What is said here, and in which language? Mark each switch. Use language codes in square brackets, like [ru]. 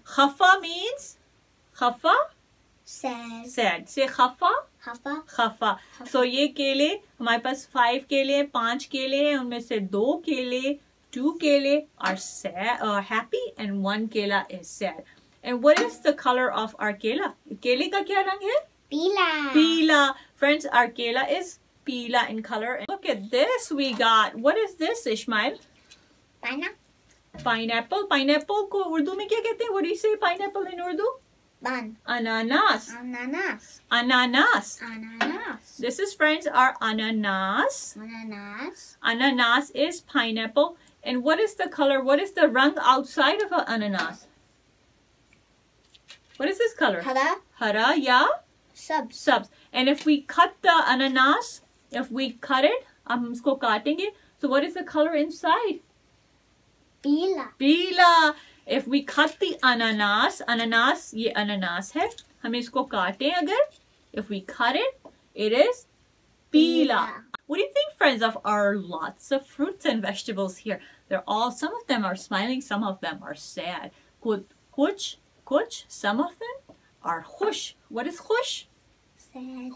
[en] Khafa means khafa. Sad. Sad. Say khafa. Khafa. Khafa. [ur] So, یہ کیلے, ہمارے پاس 5 کیلے, 5 کیلے, ان میں سے 2 کیلے, 2 کیلے [en] are sad, are happy and [ur] 1 کیلا is sad. [en] And what is the color of our kela? [ur] کیلے کا کیا رنگ ہے؟ Peela. Peela. [en] Friends, our kela is peela in color. And look at this we got. What is this, Ishmael? Pineapple. [ur] Pineapple کو اردو میں کیا کہتے ہے؟ [en] What do you say pineapple in Urdu? [ur] Ban. اناناس۔ Ananas. Ananas. Ananas. [en] This is, friends, our ananas. Ananas. Ananas is pineapple. And what is the color? What is the rang outside of an ananas? What is this color? [ur] Hara. Hara, ya? Subs. [en] Subs. And if we cut the ananas, if we cut it, [ur] humko kaatenge, [en] so what is the color inside? [ur] Pila. Pila. [en] If we cut the [ur] اناناس, اناناس, یہ اناناس ہے۔ ہم اسکو کاٹے اگر۔ [en] If we cut it, it is پیلا. What do you think, friends, of our lots of fruits and vegetables here? They're all, some of them are smiling, some of them are sad. Kuch, some of them are khush. What is khush? Sad.